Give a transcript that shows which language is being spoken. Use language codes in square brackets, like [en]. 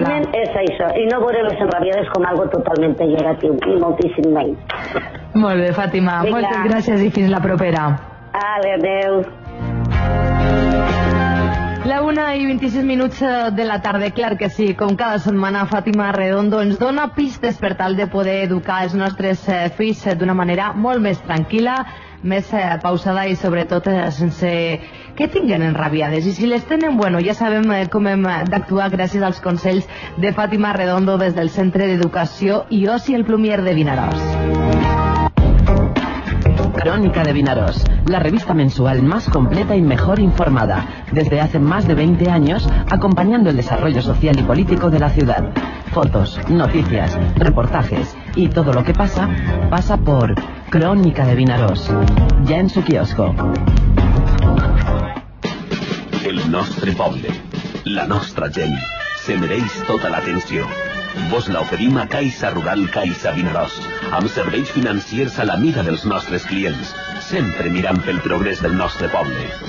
[ca] Simplement és això, i no veure les enrabiades com algo totalment negatiu, i moltíssim menys. Molt bé, Fàtima. Vinga. Moltes gràcies i fins la propera. Adéu. La 1:26 de la tarda, clar que sí. Com cada setmana, Fàtima Redondo ens dona pistes per tal de poder educar els nostres fills d'una manera molt més tranquil·la, més pausada i sobretot sense que tinguin enrabiades. I si les tenen, bueno, ja sabem com hem d'actuar gràcies als consells de Fàtima Redondo des del Centre d'Educació i Oci El Plumier de Vinaròs. [es] Crónica de Vinaròs, la revista mensual más completa y mejor informada, desde hace más de 20 años acompañando el desarrollo social y político de la ciudad. Fotos, noticias, reportajes y todo lo que pasa, pasa por Crónica de Vinaròs, ya en su kiosco. [ca] El nostre poble, la nostra gent, se mereix tota l'atenció. Vos la oferim a Caixa Rural Caixa Vinaròs, amb serveis financiers a la mida dels nostres clients, sempre mirant pel progrés del nostre poble.